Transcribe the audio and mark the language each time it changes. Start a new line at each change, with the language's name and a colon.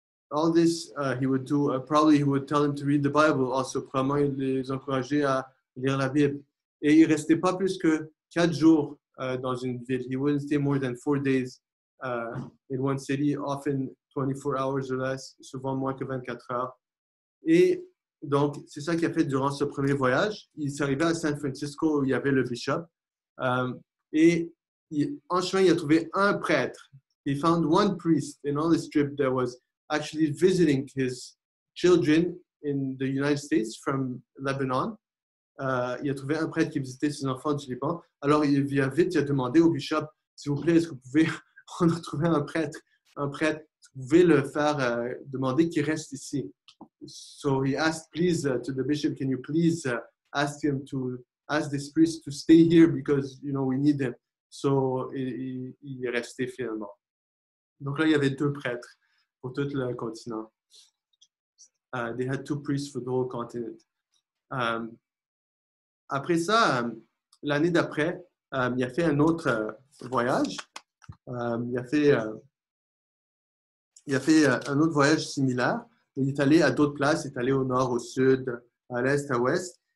English: All this he would do. Probably he would tell them to read the Bible. Also, probably
French: les encourager à lire la Bible. Et il restait pas plus que 4 jours dans une ville.
English: He wouldn't stay more than 4 days in one city. Often 24 hours or less.
French: Souvent moins que 24 heures. Et donc c'est ça qu'il a fait durant ce premier voyage. Il s'est arrivé à San Francisco où il y avait le bishop. En chemin il a trouvé un prêtre.
English: He found one priest in all this trip that was actually visiting his children in the United States from Lebanon.
French: Il a trouvé un prêtre qui visitait ses enfants du Liban. Alors il vient vite, il a demandé au bishop, s'il vous plaît, est-ce que vous pouvez en trouver un prêtre, vous pouvez le faire demander qu'il reste ici.
English: So he asked, please, to the bishop, can you please ask him to ask this priest to stay here because, you know, we need him.
French: So il est resté finalement. Donc là, il y avait deux prêtres. Pour tout le continent.
English: They had two priests for the whole continent.
French: Après ça, l'année d'après, il a fait un autre voyage. Il a fait un autre voyage similaire. Il est allé à d'autres places. Il est allé au nord, au sud, à l'est, à l'ouest.